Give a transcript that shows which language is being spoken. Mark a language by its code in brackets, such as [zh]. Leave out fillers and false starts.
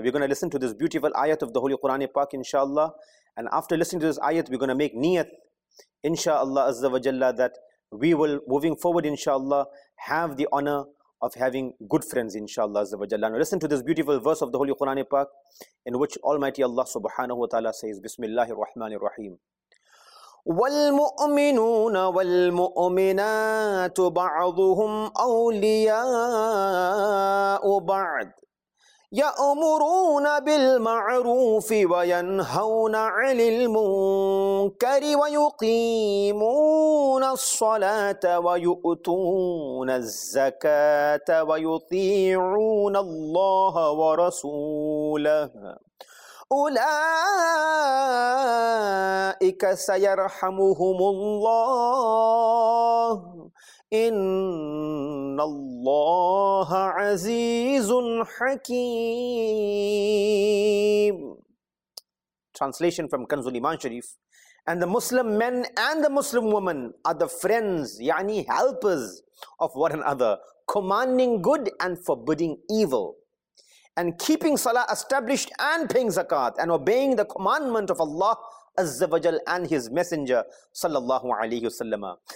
[en] We're going to listen to this beautiful ayat of the Holy Quran Pak, inshallah. And after listening to this ayat, we're going to make niyat, inshallah azawajalla, that we will, moving forward, inshallah, have the honor of having good friends, inshallah azawajalla. Now listen to this beautiful verse of the Holy Quran Pak, in which Almighty Allah subhanahu wa ta'ala says, Bismillahir Rahmanir Rahim. [ar] والمؤمنون والمؤمنات بعضهم أولياء بعض يأمرون بالمعروف وينهون عن المنكر ويقيمون الصلاة ويؤتون الزكاة ويطيعون الله ورسوله أولئك سيرحمهم الله إن الله عزيز حكيم. [en] Translation from Kanzul Iman Sharif. And the Muslim men and the Muslim women are the friends, yani helpers of one another, commanding good and forbidding evil, and keeping salah established and paying zakat and obeying the commandment of Allah Azza wa Jal and His Messenger sallallahu alayhi wa sallam.